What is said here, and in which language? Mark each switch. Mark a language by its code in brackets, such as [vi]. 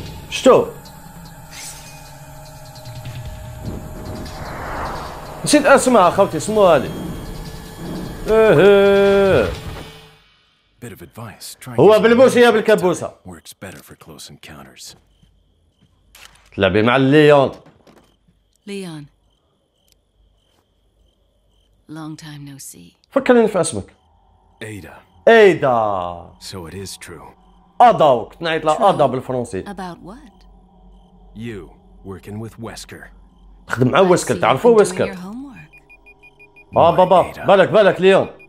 [ar] شتو؟ نسيت اسمها خوتي سموها لي. اه [en] bit of advice [ar] try هو بالبوسه يا بالكبوسه [en] works better for close encounters [ar] تلعبي مع ليون [en] Leon long time no see [ar] فكرني في اسمك ايدا ايدا [en] so it is true [ar] ادا كنت نعيط لها ادا بالفرنسي [en] about what you working with wesker [ar] تخدم مع وسكر تعرفوا وسكر اه بابا بالك بالك ليون